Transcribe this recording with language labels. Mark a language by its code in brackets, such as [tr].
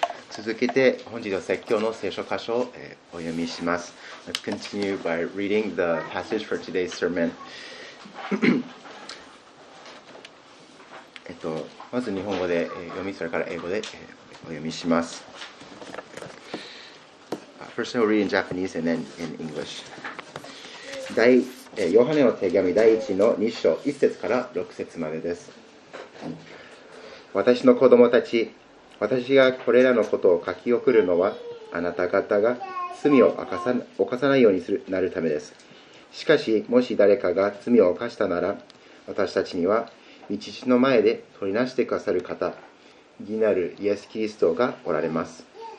[ja] 続けて本日の説教の聖書箇所をお読みします。 [en] Let's continue by reading the passage for today's sermon. [ja] まず日本語で読み、それから英語でお読みします。 [en] First I'll read in Japanese and then in English. [ja] ヨハネの手紙第1の2章1節から6節までです。私の子供たち、私がこれらのことを書き送るのは、あなた方が罪を犯さないようになるためです。しかし、もし誰かが罪を犯したなら、私たちには、道の前で取りなしてくださる方、義なるイエス・キリストがおられます。